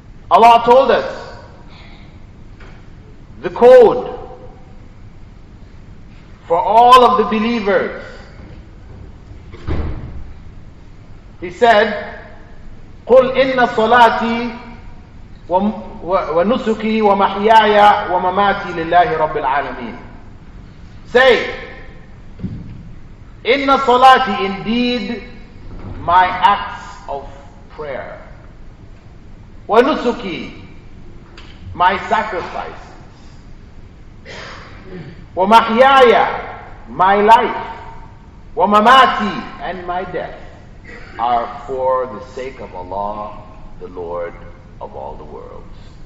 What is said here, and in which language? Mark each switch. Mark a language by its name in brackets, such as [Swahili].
[English] Allah told us the code for all of the believers. He said, [Arabic] قُلْ إِنَّ صَلَاتِي وَنُسُكِي وَمَحْيَايَ وَمَمَاتِي لِلَّهِ رَبِّ الْعَالَمِينَ. [English] Say, [Arabic] إِنَّ صَلَاتِي, [English] indeed my acts of prayer, [Arabic] وَنُسُكِي, [English] my sacrifices, [Arabic] وَمَحْيَايَ, [English] my life, [Arabic] وَمَمَاتِي, [English] and my death, are for the sake of Allah, the Lord of all the worlds.